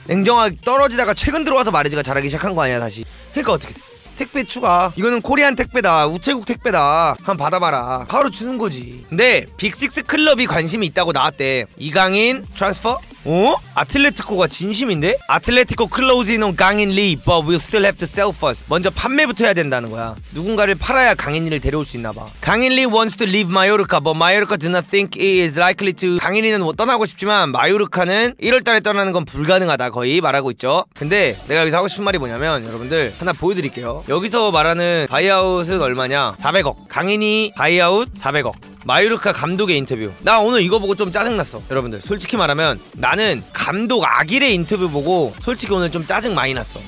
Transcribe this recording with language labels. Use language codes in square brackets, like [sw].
[ko] 냉정하게 떨어지다가 최근 들어와서 마레즈가 잘하기 시작한 거 아니야 다시. 해가 어떻게 돼? 택배 추가. 이거는 코리안 택배다. 우체국 택배다. 한번 받아봐라. 바로 주는 거지. 근데 빅식스 클럽이 관심이 있다고 나왔대. 이강인 트랜스퍼? 어? 아틀레티코가 진심인데? [en] 아틀레티코 클로징 온 강인 리 but we'll still have to sell first. [ko] 먼저 판매부터 해야 된다는 거야. 누군가를 팔아야 강인이를 데려올 수 있나 봐. [en] 강인 리 wants to leave Mallorca but Mallorca do not think it is likely to. [ko] 강인이는 떠나고 싶지만 마요르카는 1월달에 떠나는 건 불가능하다 거의 말하고 있죠. 근데 내가 여기서 하고 싶은 말이 뭐냐면 여러분들 하나 보여드릴게요. 여기서 말하는 바이아웃은 얼마냐? 400억. 강인이 바이아웃 400억. 마요르카 감독의 인터뷰. 나 오늘 이거 보고 좀 짜증났어. 여러분들 솔직히 말하면 나는 감독 아길의 인터뷰 보고 솔직히 오늘 좀 짜증 많이 났어.